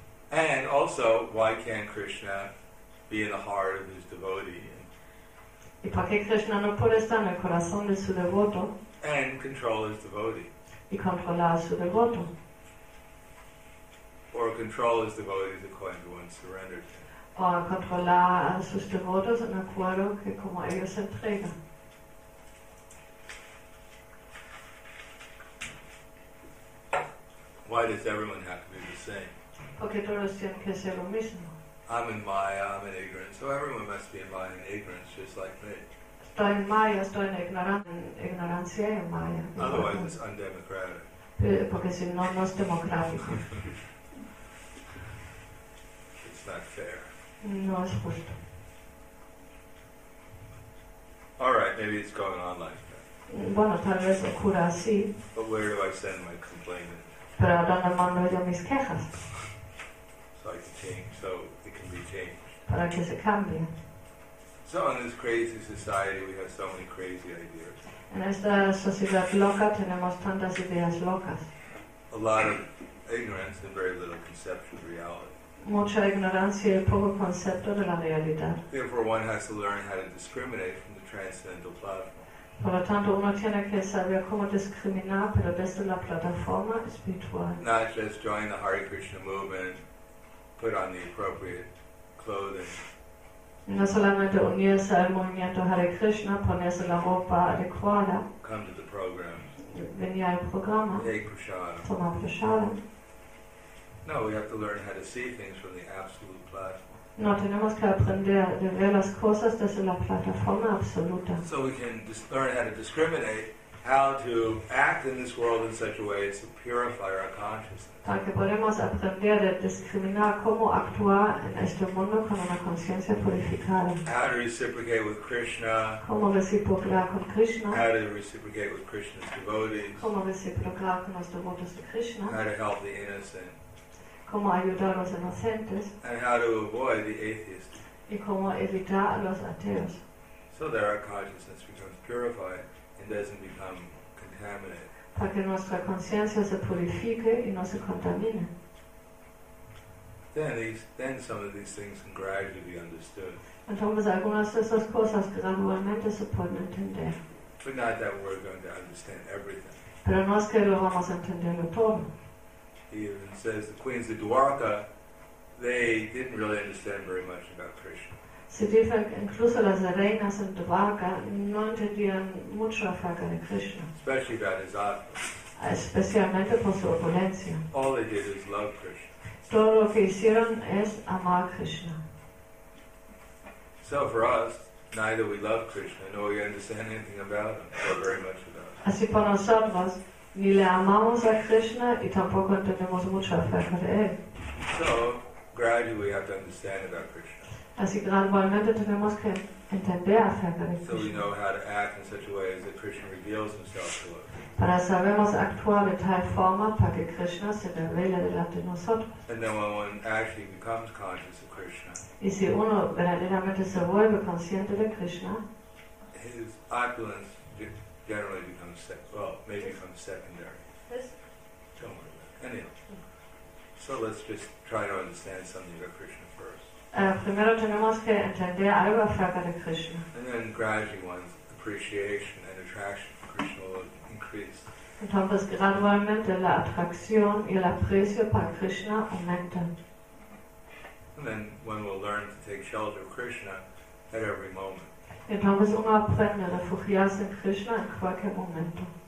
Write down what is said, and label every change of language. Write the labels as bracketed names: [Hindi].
[English] And also, why can't Krishna be in the heart of his devotee? [Spanish] ¿Y por qué Krishna no puede estar en el corazón de su devoto? [English] And control his devotee. [Spanish] Y controlar a su devoto. [English] Or control his devotees according to one's surrender. [Spanish] O controlar a sus devotos en acuerdo que como ellos se entregan. [English] Why does everyone have to be the same? [Spanish] Porque todos tienen que ser lo mismo. [English] I'm in Maya, I'm in ignorance, so everyone must be in Maya and ignorance just like me. [Spanish] Estoy en Maya, estoy en ignorancia y en Maya. [English] Otherwise, it's undemocratic. [Spanish] Porque si no, no es democrático. [English] It's not fair. [Spanish] No es justo. [English] All right, maybe it's going on like that. [Spanish] Bueno, tal vez ocurra así. [English] But where do I send my complaint? [Spanish] Pero ¿a dónde mando yo mis quejas? [English] like to change, so it can be changed. [Spanish] Para que se cambie. [English] So in this crazy society, we have so many crazy ideas. [Spanish] En esta sociedad loca tenemos tantas ideas locas. [English] A lot of ignorance and very little conception of reality. [Spanish] Mucha ignorancia y poco concepto de la realidad. [English] Therefore, one has to learn how to discriminate from the transcendental platform. [Spanish] Por lo tanto, uno tiene que saber cómo discriminar, pero desde la plataforma espiritual. [English] Not just join the Hare Krishna movement, put on the appropriate clothing. [Spanish] No solamente unirse al movimiento Hare Krishna, ponerse la ropa adecuada. [English] Come to the program. [Spanish] Venir al programa. [English] Take prasad. [Spanish] Toma prasad. [English] No, we have to learn how to see things from the absolute platform. [Spanish] No, tenemos que aprender de ver las cosas desde la plataforma absoluta. [English] So we can learn how to discriminate, how to act in this world in such a way as to purify our consciousness. [Spanish] Para que podamos aprender de discriminar cómo actuar en este mundo con una conciencia purificada. [English] How to reciprocate with Krishna. [Spanish] Cómo reciprocar con Krishna. [English] How to reciprocate with Krishna's devotees. [Spanish] Cómo reciprocar con los devotos de Krishna. [English] How to help the innocent. [Spanish] Cómo ayudar a los inocentes. [English] And how to avoid the atheists. [Spanish] Y cómo evitar a los ateos. [English] So that our consciousness becomes purified and doesn't become contaminated. [Spanish] Para que nuestra conciencia se purifique y no se contamine. [English] Then some of these things can gradually be understood. [Spanish] Entonces algunas de esas cosas gradualmente se pueden entender. [English] But not that we're going to understand everything. [Spanish] Pero no es que lo vamos a entenderlo todo. [English] He even says the queens of Dwarka, they didn't really understand very much about Krishna. [Spanish] Se dice incluso las reinas en Dwarka no entendían mucho acerca de Krishna. [English] Especially about his opulence. [Spanish] Especialmente por su opulencia. [English] All they did is love Krishna. [Spanish] Todo lo que hicieron es amar Krishna. [English] So for us, neither we love Krishna nor we understand anything about him or very much about him. [Spanish] Así para nosotros. Ni le amamos a Krishna y tampoco entendemos mucho acerca de él. [English] So, gradually we have to understand about Krishna. [Spanish] Así gradualmente tenemos que entender acerca de Krishna. [English] So we know how to act in such a way as that Krishna reveals himself to us. [Spanish] Para sabemos actuar de tal forma para que Krishna se revele delante de nosotros. [English] And then when one actually becomes conscious of Krishna. [Spanish] Y si uno verdaderamente se vuelve consciente de Krishna. [English] His opulence generally becomes secondary. Don't worry about it. Anyhow. So let's just try to understand something about Krishna first. [Spanish] Primero tenemos que entender algo acerca de Krishna. [English] And then gradually one's appreciation and attraction for Krishna will increase. [Spanish] Entonces gradualmente la atracción y el aprecio para Krishna aumenta. [English] And then one will learn to take shelter of Krishna at every moment. [Spanish] Entonces uno aprende a refugiarse en Krishna en cualquier momento.